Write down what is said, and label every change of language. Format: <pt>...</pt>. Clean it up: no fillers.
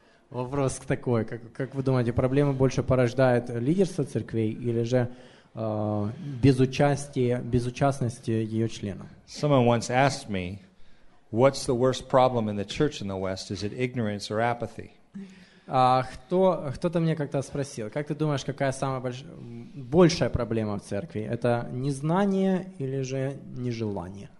<ru>Вопрос такой, как вы думаете, проблема больше порождает лидерство церквей или же безучастности ее членов?</ru> <en>Someone once asked me, what's the worst problem in the church in the West? Is it ignorance or apathy?</en> <ru>Кто-то мне как-то спросил, как ты думаешь, какая самая большая проблема в церкви? Это незнание или же нежелание?</ru>